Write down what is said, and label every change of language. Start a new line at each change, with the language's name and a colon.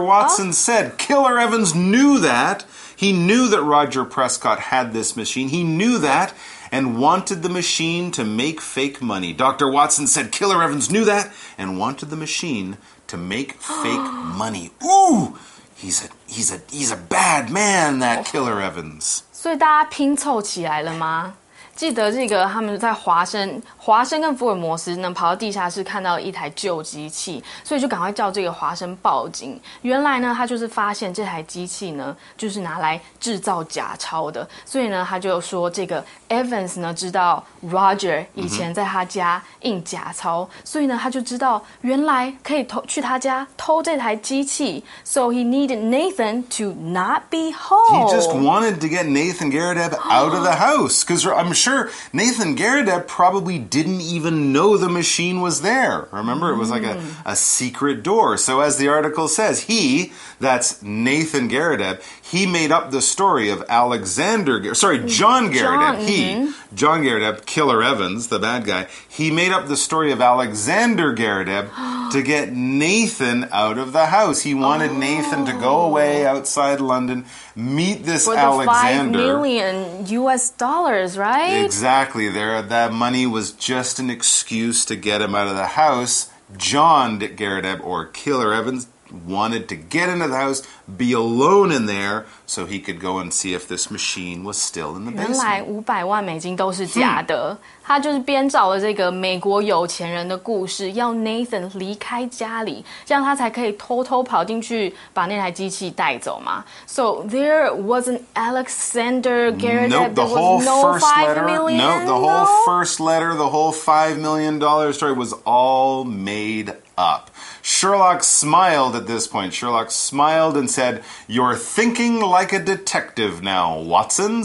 English: Watson said Killer Evans knew that. He knew that Roger Prescott had this machine. He knew that and wanted the machine to make fake money. Dr. Watson said Killer Evans knew that and wanted the machine to make fake money. Ooh! He's a bad man, that Killer Evans.
Chinese: 所以大家拼凑起来了吗？记得这个，他们在华生跟福尔摩斯呢，跑到地下室看到一台旧机器，所以就赶快叫这个华生报警。原来呢，他就是发现这台机器呢，就是拿来制造假钞的。所以呢，他就说这个 Evans 呢，知道 Roger 以前在他家印假钞，所以呢，他就知道原来可以去他家偷这台机器。
English: So he needed Nathan to not be home. He just wanted to get Nathan Garadeb out of the house, because I'm sure Nathan Garadeb probably didn't even know the machine was there. Remember, it was like a secret door. So as the article says, he, that's Nathan Garadeb, he made up the story of John Garadeb. John Garadeb, Killer Evans, the bad guy, he made up the story of Alexander Garadeb to get Nathan out of the house. He wanted Nathan to go away outside London, meet this Alexander. For the $5 million, right? Exactly. That money was just an excuse to get him out of the house. John Garadeb, or Killer Evans, wanted to get into the house, be alone in there, so he could go and see if this machine was still in the basement.
Chinese: 原来$500,000都是假的。他就是编造了这个美国有钱人的故事，要 Nathan 离开家里，这样他才可以偷偷跑进去把那台机器带走嘛。
English: So there wasn't Alexander Garrett. Nope, the whole first letter. Nope, the whole first letter, the whole $5 million story was all made up. Sherlock smiled at this point. Sherlock smiled and said, "You're thinking like a detective now, Watson."